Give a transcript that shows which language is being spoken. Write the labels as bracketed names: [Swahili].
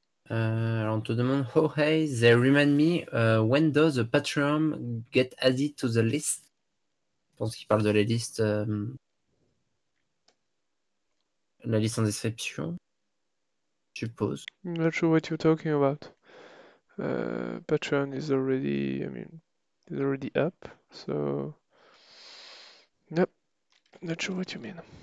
[French] Alors on te demande, [English] oh hey, they remind me, when does the Patreon get added to the list? [French] Je pense qu'il parle de la liste en description, je suppose. [English] Not sure what you're talking about. Patreon is already, is already up, so nope, not sure what you mean.